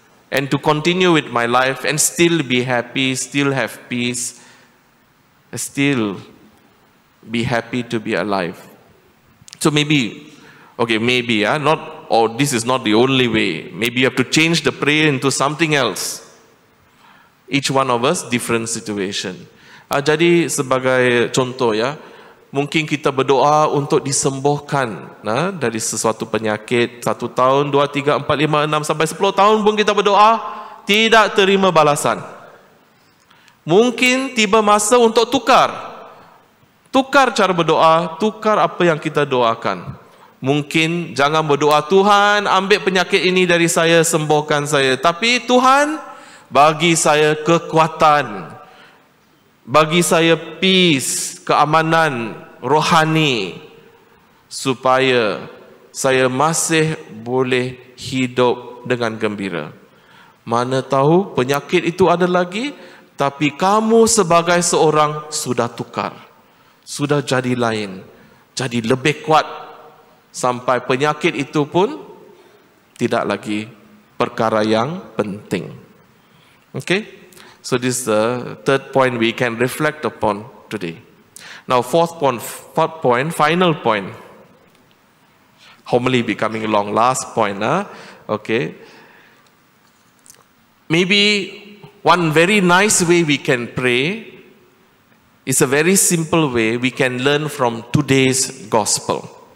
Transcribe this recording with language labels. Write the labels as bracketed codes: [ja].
[en] and to continue with my life and still be happy, still have peace, still be happy to be alive. So this is not the only way. Maybe you have to change the prayer into something else. Each one of us, different situation. [ms] Jadi sebagai contoh ya, mungkin kita berdoa untuk disembuhkan dari sesuatu penyakit. 1 tahun, 2, 3, 4, 5, 6 sampai 10 tahun pun kita berdoa, tidak terima balasan. Mungkin tiba masa untuk tukar. Tukar cara berdoa, tukar apa yang kita doakan. Mungkin jangan berdoa, Tuhan ambil penyakit ini dari saya, sembuhkan saya. Tapi Tuhan bagi saya kekuatan, bagi saya peace, keamanan rohani, supaya saya masih boleh hidup dengan gembira. Mana tahu penyakit itu ada lagi, tapi kamu sebagai seorang sudah tukar, sudah jadi lain, jadi lebih kuat, sampai penyakit itu pun tidak lagi perkara yang penting. [en] Okay, so this is the third point we can reflect upon today. Now fourth point, final point. Homily becoming long, last point. Okay. Maybe one very nice way we can pray is a very simple way we can learn from today's gospel.